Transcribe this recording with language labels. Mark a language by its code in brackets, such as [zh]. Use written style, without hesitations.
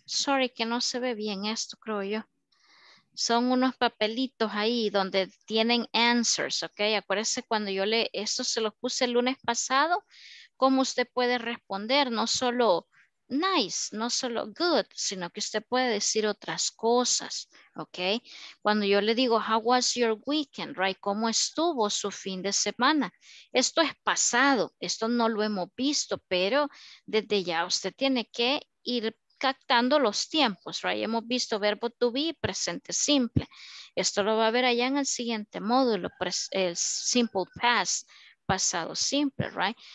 [en] Sorry [es] que no se ve bien esto, creo yo. Son unos papelitos ahí donde tienen answers, ok. Acuérdense cuando yo le, esto se los puse el lunes pasado, cómo usted puede responder, no solo nice, no solo good, sino que usted puede decir otras cosas, ok. Cuando yo le digo, [en] how was your weekend, right? [es] ¿Cómo estuvo su fin de semana? Esto es pasado, esto no lo hemos visto, pero desde ya usted tiene que ir captando los tiempos, right? Hemos visto verbo to be, presente simple. Esto lo va a ver allá en el siguiente módulo, el simple past, pasado simple, right?